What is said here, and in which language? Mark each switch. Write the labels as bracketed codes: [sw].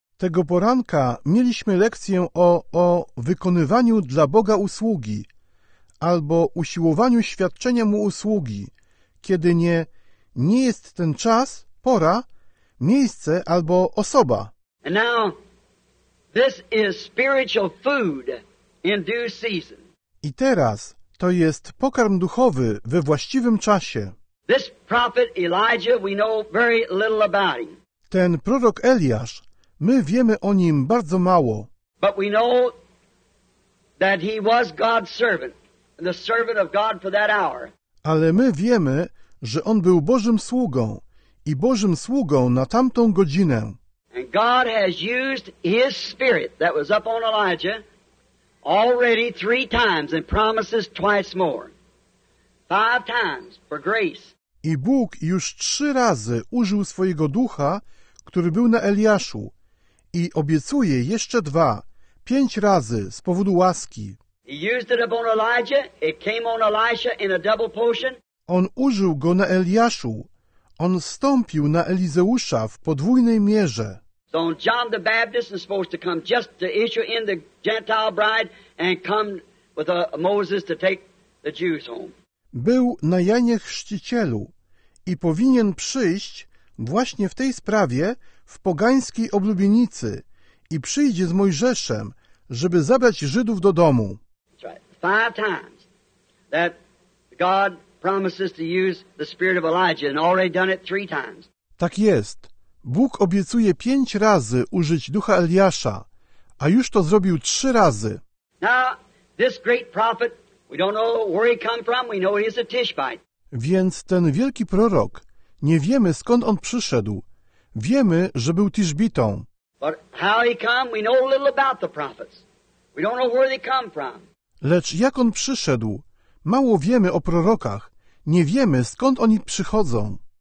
[pl] Tego poranka mieliśmy lekcję o wykonywaniu dla Boga usługi albo usiłowaniu świadczenia mu usługi, kiedy nie jest ten czas, pora, miejsce albo osoba. [en] And now this is spiritual food in due season. [pl] I teraz to jest pokarm duchowy we właściwym czasie. [en] This prophet Elijah, we know very little about him. [pl] Ten prorok Eliasz, my wiemy o nim bardzo mało. [en] But we know that he was God's servant, the servant of God for that hour. [pl] Ale my wiemy, że on był Bożym sługą i Bożym sługą na tamtą godzinę. [en] And God has used his spirit that was up on Elijah already 3 times and promises twice more. 5 times for grace. [pl] I Bóg już 3 razy użył swojego ducha, który był na Eliaszu, i obiecuje jeszcze 2, 5 razy z powodu łaski. [en] He used it upon Elijah, it came on Elisha in a double portion. [pl] On użył go na Eliaszu, on stąpił na Elizeusza w podwójnej mierze. [en] So John the Baptist is supposed to come just to issue in the Gentile bride and come with Moses to take the Jews home. [pl] był na Janie Chrzcicielu i powinien przyjść właśnie w tej sprawie w pogańskiej oblubienicy i przyjdzie z Mojżeszem, żeby zabrać Żydów do domu. [en] Five times that God promises to use the spirit of Elijah and already done it three times. [pl] Tak jest. Bóg obiecuje 5 razy użyć ducha Eliasza, a już to zrobił 3 razy. [en] Now, this great prophet, we don't know where he come from, we know he's a Tishbite. [pl] Więc ten wielki prorok, nie wiemy skąd on przyszedł. Wiemy, że był Tishbitą. [en] But how he come, we know a little about the prophets. We don't know where they come from. [pl] Lecz jak on przyszedł? Mało wiemy o prorokach. Nie wiemy, skąd oni przychodzą.